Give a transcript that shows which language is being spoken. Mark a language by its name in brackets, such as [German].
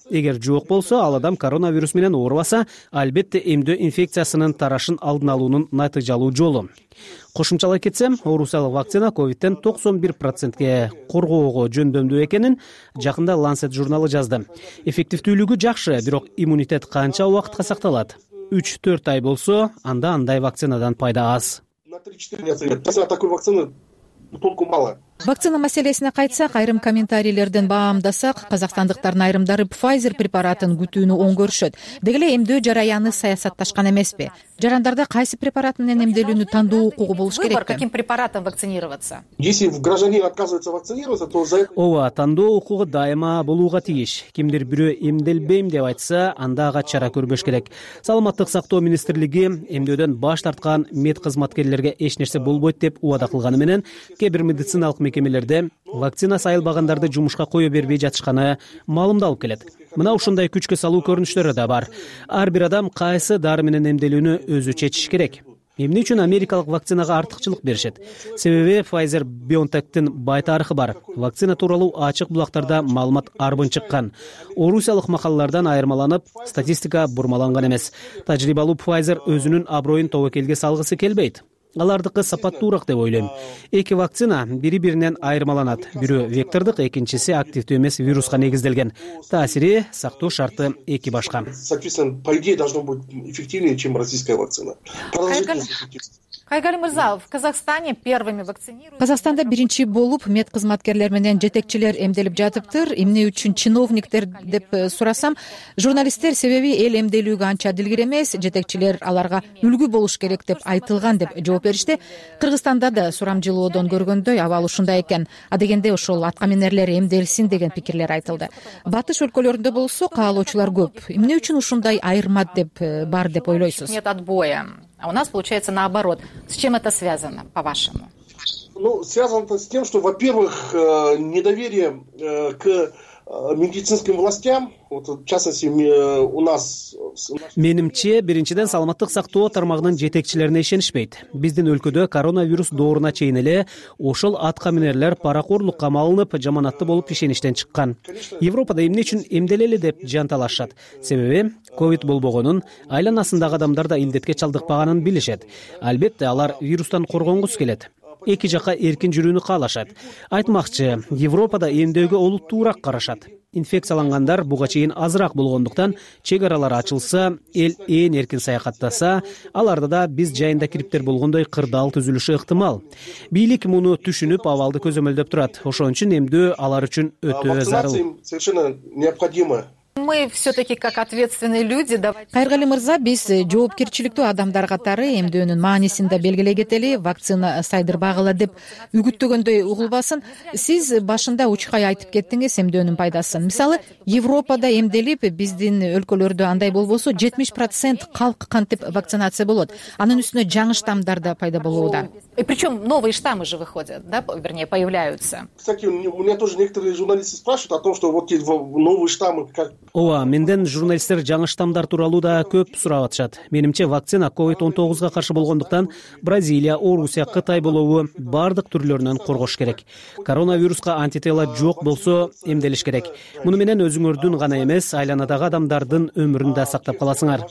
[Kyrgyz] Эгер жок болсо, ал адам коронавирус менен оорубаса, албетте эмдөө инфекциясынын тарашын алдын алуунун натыйжалуу жолу. Кошумчалай кетсем, орусиялык вакцина ковидтен 91% коргоого жөндөмдүү экенин жакында Lancet журналы жазды. Эффективдүүлүгү жакшы, бирок иммунитет канча убакытка сакталат? 3-4 ай болсо, анда андай вакцинадан пайда аз. [Russian] На 3-4 месяца такой вакцины толку мало. [Kyrgyz] Вакцина маселесине кайтсак, айрым комментарийлерден баамдасак, казакстандыктардын айрымдары Pfizer препаратын күтүүнү оңгөрүшөт. Деги эле эмдөө жараяны саясатташкан эмеспи? Жарандарда кайсы препарат менен эмделүүнү тандоо укугу болуш керек? [Russian] Выбор, каким препаратом вакцинироваться? Если гражданин отказывается вакцинироваться, то за это... [Kyrgyz] Ова, тандоо укугу дайыма болууга тийиш. Кимдир бирөө эмделбейм деп айтса, анда ага чара көрбөш керек. Саламаттык сактоо министрлиги эмдөөдөн баш тарткан медкызматкерлерге эч нерсе болбойт деп убада кылганы менен, кээ бир медицина мекемелерде вакцина сайылбагандарды жумушка кое бербей жатышканы маалымдалып келет. Мына ушундай күчкө салуу көрүнүштөрү да бар. Ар бир адам кайсы дары менен эмделүүнү өзү чечиш керек. Эмне үчүн америкалык вакцинага артыкчылык беришет? Себеби Pfizer BioNTech'тин бай тарыхы бар. Вакцина тууралуу ачык булактарда маалымат арбын чыккан. Орусиялык макалалардан айырмаланып, статистика бурмаланган эмес. Тажрыйбалуу Pfizer өзүнүн аброюн тобокелге салгысы келбейт. Алардыкы сапаттуураак деп ойлойм. Эки вакцина бири-биринен айырмаланат. Бирөө вектордук, экинчиси активдүү эмес вируска негизделген. Таасири, сактоо шарты эки башка. [Russian] Соответственно, по идее должно быть эффективнее, чем российская вакцина. Кайгали Мырзаев, Казахстане первыми вакцинируют. [Kyrgyz] Казахстанда биринчи болуп медкызматкерлер менен жетекчилер эмделип жатыптыр. Эмне үчүн чиновниктер деп сурасам, журналисттер себеби эл эмделүүгө анча дилгир эмес, жетекчилер аларга үлгү болуш керек деп айтылган деп жооп беришти. Кыргызстанда да сурам жылоодон көргөндөй абал ушундай экен. А дегенде ошол аткаминерлер эмделсин деген пикирлер айтылды. Батыш өлкөлөрүндө болсо каалоочулар көп. Эмне үчүн ушундай айырма деп бар деп ойлойсуз? [Russian] Нет отбоя. А у нас получается наоборот. С чем это связано, по-вашему? Ну, связано это с тем, что, во-первых, недоверие к медицинским властям. [Kyrgyz] Менимче, биринчиден саламаттык сактоо тармагынын жетекчилерине ишенишпейт. Биздин өлкөдө коронавирус дооруна чейин эле ошол аткаминерлер паракорлукка малынып, жаманатты болуп ишеништен чыккан. Европада эмне үчүн эмделели деп жанталашат. Себеби ковид болбогонун, айланасындагы адамдар да илдетке чалдыкпаганын билишет. Албетте, алар вирустан коргонгус келет. Эки жака эркин жүрүүнү каалашат. Айтмакчы, Европада эмдөөгө олуттуураак карашат. Инфекциялангандар буга чейин азыраак болгондуктан, чек аралары ачылса, эл ээн эркин саякаттаса, аларда да биз жайында кириптер болгондой кырдаал түзүлүшү ыктымал. Бийлик муну түшүнүп, абалды көзөмөлдөп турат. Ошон үчүн эмдөө алар үчүн өтө зарыл. [Russian] Мы все-таки как ответственные люди. [Kyrgyz] Кайргали Мырза, биз жоопкерчиликтүү адамдар катары эмдөөнүн маанисин да белгилей кетели, вакцина сайдырбагыла деп үгүттөгөндөй угулбасын. Сиз башында учкай айтып кеттиңиз эмдөөнүн пайдасын. Мисалы, Европада эмделип, биздин өлкөлөрдө андай болбосо 70% калк кантип вакцинация болот. Анын үстүнө жаңы штамдар да пайда болууда. [Russian] И причем новые штаммы же выходят, да, вернее, появляются. Кстати, у меня тоже некоторые журналисты спрашивают о том, что вот эти новые штаммы... [Kyrgyz] Ова, менден журналисттер жаңы штамдар тууралуу да көп сурап атышат. Менимче, вакцина COVID-19 каршы болгондуктан Бразилия, Орусия, Кытай болобу бардык түрлөрүнөн коргош керек. Коронавируска антитела жок болсо эмделиш керек. Муну менен өзүңөрдүн гана эмес, айланадагы адамдардын өмүрүн да сактап каласыңар.